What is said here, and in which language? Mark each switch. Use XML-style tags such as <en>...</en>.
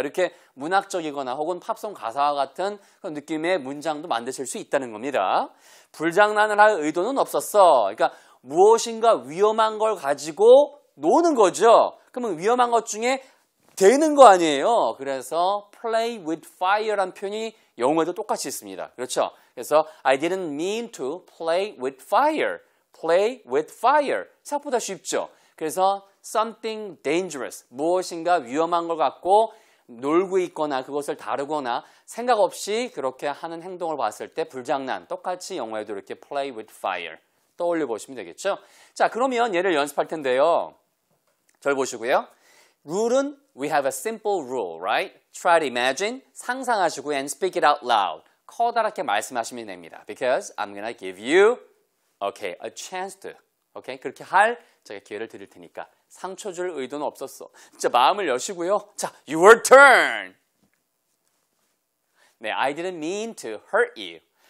<ko>이렇게 문학적이거나 혹은 팝송 가사와 같은 그런 느낌의 문장도 만드실 수 있다는 겁니다. 불장난을 할 의도는 없었어. 그러니까 무엇인가 위험한 걸 가지고 노는 거죠. 그러면 위험한 것 중에 되는 거 아니에요. 그래서 play with fire란 표현이 영어에도 똑같이 있습니다. 그렇죠?</ko> <en>그래서 I didn't mean to play with fire. Play with fire.</en> <ko>생각보다 쉽죠? 그래서</ko> <en>something dangerous.</en> <ko>무엇인가 위험한 걸 갖고 놀고 있거나 그것을 다루거나 생각 없이 그렇게 하는 행동을 봤을 때 불장난. 똑같이 영어에도 이렇게 play with fire. 떠올려 보시면 되겠죠? 자, 그러면 얘를 연습할 텐데요. 절 보시고요. 룰은</ko> <en>We have a simple rule, right? Try to imagine,</en> <ko>상상하시고</ko> <en>and speak it out loud.</en> <ko>커다랗게 말씀하시면 됩니다.</ko> <en>Because I'm gonna give you, okay, a chance to. Okay,</en> <ko>그렇게 할 제가 기회를 드릴 테니까 상처 줄 의도는 없었어. 진짜 마음을 여시고요. 자, your turn!</ko> <en>네, I didn't mean to hurt you.</en>